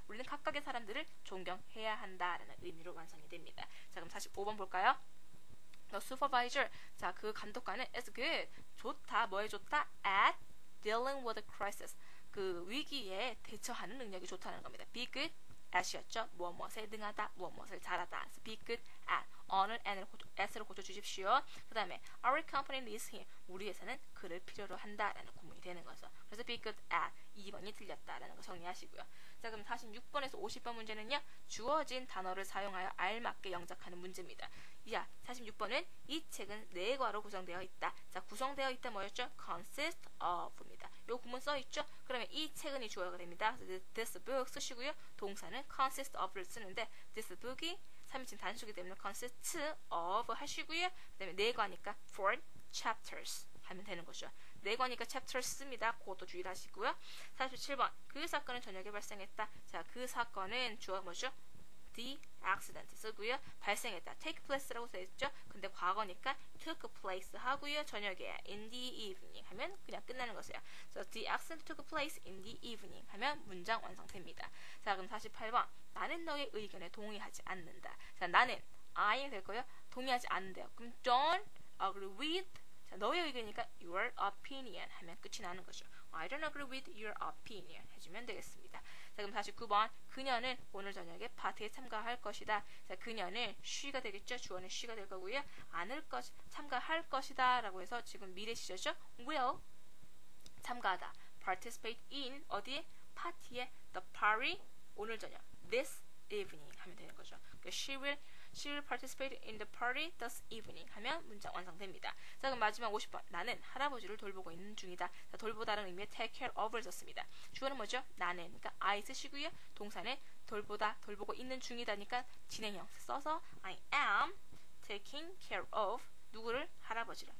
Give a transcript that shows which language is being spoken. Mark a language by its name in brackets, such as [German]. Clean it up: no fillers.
[Korean] 우리는 각각의 사람들을 존경해야 한다라는 의미로 완성이 됩니다. 자, 그럼 45번 볼까요? The supervisor. 자, 그 감독관은 [English] is good. [Korean] 좋다. 뭐에 좋다? [English] At dealing with a crisis. [Korean] 그 위기에 대처하는 능력이 좋다는 겁니다. Be good. at이었죠. 무엇무엇에 능하다. 무엇무엇을 잘하다. So be good at. on을 at로 고쳐주십시오. 그 다음에 [English] our company needs him. [Korean] 우리 회사는 그를 필요로 한다. 라는 구문이 되는 거죠. 그래서 be good at. 2번이 틀렸다. 라는 거 정리하시고요. 자, 그럼 46번에서 50번 문제는요. 주어진 단어를 사용하여 알맞게 영작하는 문제입니다. 자, 46번은 이 책은 네 과로 구성되어 있다. 자, 구성되어 있다 뭐였죠? consist of입니다. 요 구문 써있죠? 그러면 이 책은 이 주어가 됩니다. this book 쓰시고요. 동사는 consist of를 쓰는데 this book이 3인칭 단수이기 때문에 consist of 하시고요. 그 다음에 네 과니까 four chapters 하면 되는 거죠. 네 과니까 chapters 씁니다. 그것도 주의하시고요. 47번 그 사건은 저녁에 발생했다. 자, 그 사건은 주어가 뭐죠? the accident 쓰고요. 발생했다. take place라고 써있죠. 근데 과거니까 took place 하고요. 저녁에 in the evening 하면 그냥 끝나는 거세요. [English] So the accident took place in the evening [Korean] 하면 문장 완성됩니다. 자, 그럼 48번 나는 너의 의견에 동의하지 않는다. 자, 나는 I 될 거예요. 동의하지 않는데요. 그럼 don't agree with 자, 너의 의견이니까 your opinion 하면 끝이 나는 거죠. [English] I don't agree with your opinion [Korean] 해주면 되겠습니다. 자, 그럼 49번 그녀는 오늘 저녁에 파티에 참가할 것이다. 자, 그녀는 she가 되겠죠. 주어는 she가 될 거고요. 참가할 것이다 라고 해서 지금 미래 시제죠. will 참가하다 participate in 어디에? 파티에 the party 오늘 저녁 this evening 하면 되는 거죠. 그러니까 she will [English] She will participate in the party this evening. [Korean] 하면 문장 완성됩니다. 자, 그럼 마지막 50번. 나는 할아버지를 돌보고 있는 중이다. 자, 돌보다라는 의미의 take care of를 썼습니다. 주어는 뭐죠? 나는. 그러니까 I 쓰시고요. 동사는 돌보다, 돌보고 있는 중이다니까 진행형 써서 [English] I am taking care of [Korean] 누구를? 할아버지를.